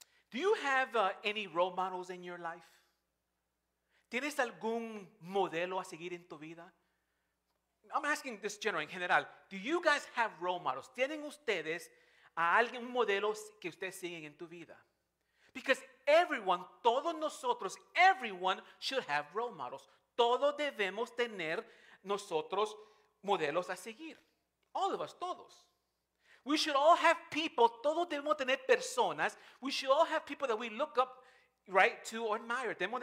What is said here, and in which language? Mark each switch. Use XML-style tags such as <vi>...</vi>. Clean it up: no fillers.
<en>Do you have any role models in your life?</en> <es>¿Tienes algún modelo a seguir en tu vida?</es> <en>I'm asking this generally,</en> <es>en general,</es> <en>do you guys have role models?</en> <es>¿Tienen ustedes a alguien, un modelo que ustedes siguen en tu vida?</es> <en>Because everyone,</en> <es>todos nosotros,</es> <en>everyone should have role models.</en> <es>Todos debemos tener nosotros modelos a seguir.</es> <en>All of us,</en> <es>todos.</es> <en>We should all have people,</en> <es>todos debemos tener personas.</es> <en>We should all have people that we look up, right, to or admire.</en>